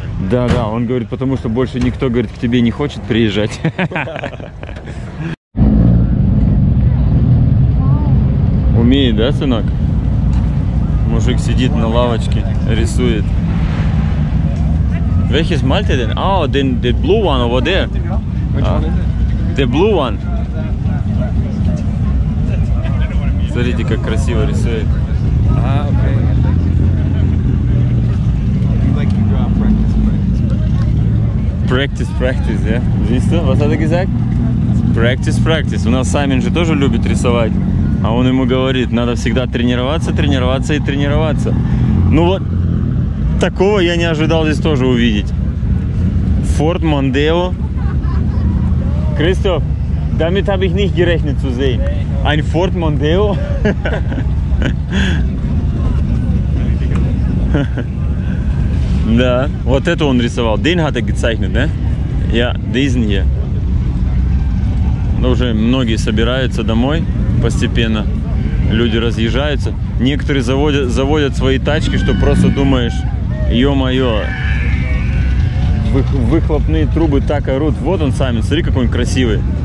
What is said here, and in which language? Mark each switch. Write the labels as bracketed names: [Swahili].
[Russian] Да, да, он говорит, потому что больше никто, говорит, к тебе не хочет приезжать. Умеет, да, сынок? Мужик сидит на лавочке, рисует. [German] Welches Malte denn? [English] Oh, the blue one over there. The blue one. [Russian] Смотрите, как красиво рисует. [English] Practice, practice, yeah? [German] Видишь, was hat er gesagt? [English] Practice, practice. [Russian] У нас Саймин же тоже любит рисовать. А он ему говорит, надо всегда тренироваться, тренироваться и тренироваться. Ну вот, такого я не ожидал здесь тоже увидеть. Ford Mondeo. [German] Christoph, damit habe ich nicht gerechnet zu sehen. Ein Ford Mondeo? [Russian] Да, вот это он рисовал. [German] Den hat er gezeichnet, ne? Ja, diesen hier. [Russian] Ну, уже многие собираются домой постепенно. Люди разъезжаются. Некоторые заводят свои тачки, что просто думаешь, ё-моё, выхлопные трубы так орут. Вот он Самин, смотри, какой он красивый.